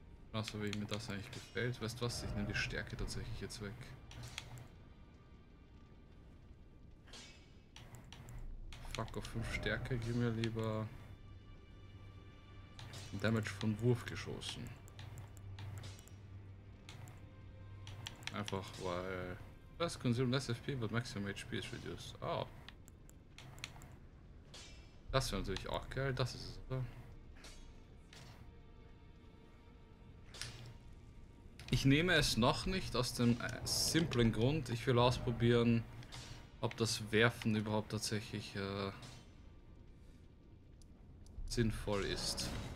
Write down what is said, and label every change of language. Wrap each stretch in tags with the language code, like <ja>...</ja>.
<de>Genauso wie mir das eigentlich gefällt. Weißt du was, ich nehme die Stärke tatsächlich jetzt weg. Fuck auf 5 Stärke, gib mir lieber Damage von Wurfgeschossen. Einfach weil.</de> <en>Just consume less FP, but maximum HP is reduced. Oh.</en> <de>Das wäre natürlich auch geil, das ist es, oder? Ich nehme es noch nicht aus dem simplen Grund, ich will ausprobieren, ob das Werfen überhaupt tatsächlich sinnvoll ist.</de>